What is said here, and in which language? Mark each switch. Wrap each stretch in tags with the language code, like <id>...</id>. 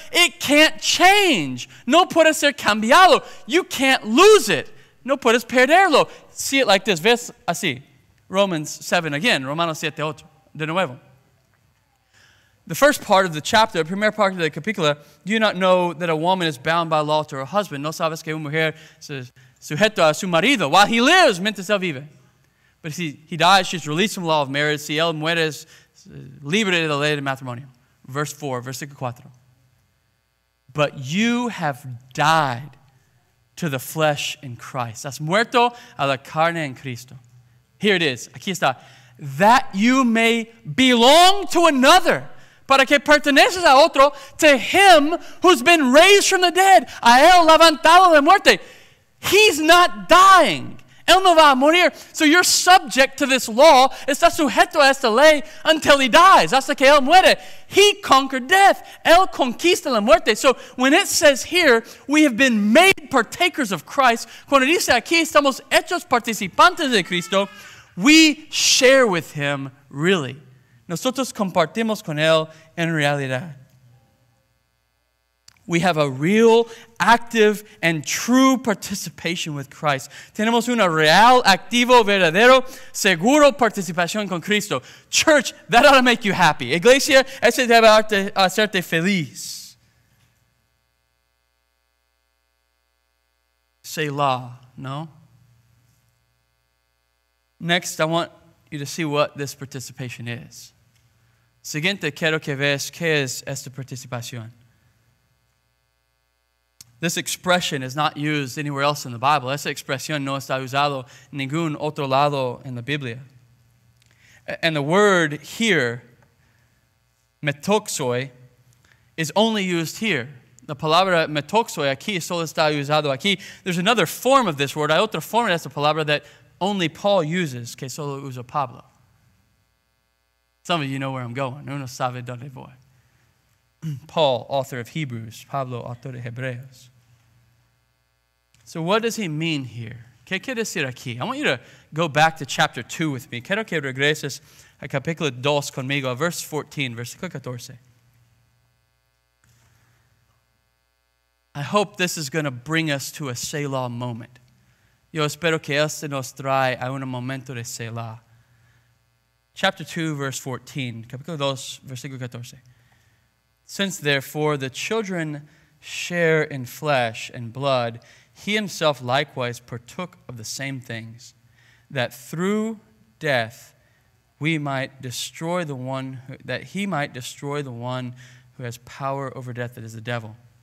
<en>It can't change.</en> <es>No puede ser cambiado.</es> <en>You can't lose it.</en> <es>No puedes perderlo.</es> <en>See it like this.</en> <es>Ves así.</es> <en>Romans 7 again.</en> <es>Romanos 7, 8. De nuevo.</es> <en>The first part of the chapter, the primer part of the capítulo, do you not know that a woman is bound by law to her husband?</en> <es>No sabes que una mujer se sujeta a su marido</es> <en>while he lives</en> <es>mientras él vive.</es> <en>But if he dies, she's released from the law of marriage.</en> <es>Si él muere, es libre de la ley de matrimonio.</es> <en>Verse 4,</en> <es>versículo 4.</es> <en>But you have died to the flesh in Christ.</en> <es>Has muerto a la carne en Cristo.</es> <en>Here it is.</en> <es>Aquí está.</es> <en>That you may belong to another.</en> <es>Para que perteneces a otro.</es> <en>To him who's been raised from the dead.</en> <es>A él levantado de muerte.</es> <en>He's not dying.</en> <es>Él no va a morir.</es> <en>So you're subject to this law.</en> <es>Está sujeto a esta ley</es> <en>until he dies.</en> <es>Hasta que él muere.</es> <en>He conquered death.</en> <es>Él conquista la muerte.</es> <en>So when it says here, we have been made partakers of Christ.</en> <es>Cuando dice aquí, estamos hechos participantes de Cristo.</es> <en>We share with him, really.</en> <es>Nosotros compartimos con él en realidad.</es> <en>We have a real, active, and true participation with Christ.</en> <es>Tenemos una real, activo, verdadero, seguro participación con Cristo.</es> <en>Church, that ought to make you happy.</en> <es>Iglesia, ese debe hacerte feliz.</es> <en>Selah, no? Next, I want you to see what this participation is.</en> <es>Siguiente, quiero que veas qué es esta participación.</es> <en>This expression is not used anywhere else in the Bible.</en> <es>Esa expresión no está usado en ningún otro lado en la Biblia.</es> <en>And the word here, metoxoi, is only used here.</en> <es>La palabra metoxoi aquí solo está usado aquí.</es> <en>There's another form of this word.</en> <es>Hay otra forma de esa palabra</es> <en>that only Paul uses,</en> <es>que solo usa Pablo.</es> <en>Some of you know where I'm going.</en> <es>Uno sabe dónde voy.</es> <en>Paul, author of Hebrews.</en> <es>Pablo, autor de Hebreos.</es> <en>So what does he mean here?</en> <es>¿Qué quiere decir aquí?</es> <en>I want you to go back to chapter 2 with me.</en> <es>Quiero que regreses a capítulo 2 conmigo,</es> <en>verse 14,</en> <es>versículo 14.</es> <en>I hope this is going to bring us to a Selah moment.</en> <es>Yo espero que este nos trae a un momento de Selah.</es> <en>Chapter 2, verse 14,</en> <es>capítulo 2, versículo 14.</es> <en>Since therefore the children share in flesh and blood, he himself likewise partook of the same things, that through death we might destroy the one who, that he might destroy the one who has power over death, that is the devil.</en>